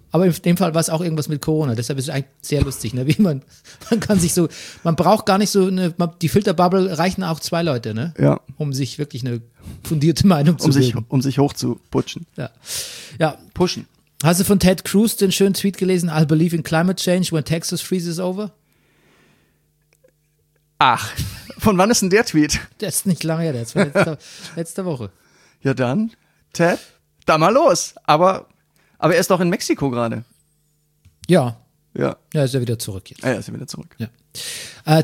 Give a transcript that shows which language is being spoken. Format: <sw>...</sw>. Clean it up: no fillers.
<de>Aber in dem Fall war es auch irgendwas mit Corona. Deshalb ist es eigentlich sehr lustig, ne? Wie man kann sich so, man braucht gar nicht so eine, die Filterbubble reichen auch zwei Leute, ne? Ja. Um sich wirklich eine fundierte Meinung zu bilden. Um sich hochzuputschen. Ja. Ja. Pushen. Hast du von Ted Cruz den schönen Tweet gelesen?</de> <en>I believe in climate change when Texas freezes over?</en> <de>Ach, von wann ist denn der Tweet? Der ist nicht lange her, der ist von letzter Woche. Ja dann, Ted, da mal los. Aber er ist doch in Mexiko gerade. Ja. Ja. Ja, ist er wieder zurück jetzt. Ja, ist er wieder zurück. Ja.</de>